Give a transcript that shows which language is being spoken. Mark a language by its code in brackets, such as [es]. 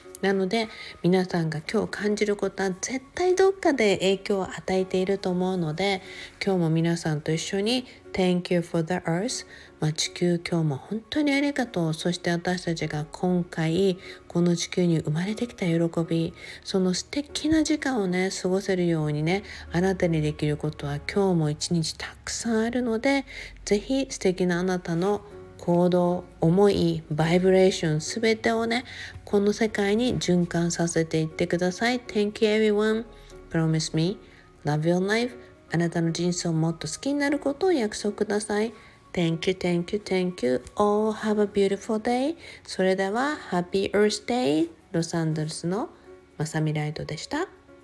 [ja] なので皆さんが今日感じることは絶対どっかで影響を与えていると思うので、今日も皆さんと一緒に [en] Thank you for the earth、 [ja] まあ、地球今日も本当にありがとう、そして私たちが今回この地球に生まれてきた喜び、その素敵な時間をね過ごせるようにね、あなたにできることは今日も一日たくさんあるので、ぜひ素敵なあなたの行動、思い、バイブレーション、すべてをね、この世界に循環させていってください。 [en] Thank you everyone. Promise me, love your life. [ja] あなたの人生をもっと好きになることを約束ください。 [en] Thank you, thank you, thank you. All have a beautiful day. [ja] それでは、 [en] Happy Earth Day. [ja] ロサンゼルスのマサミライトでした。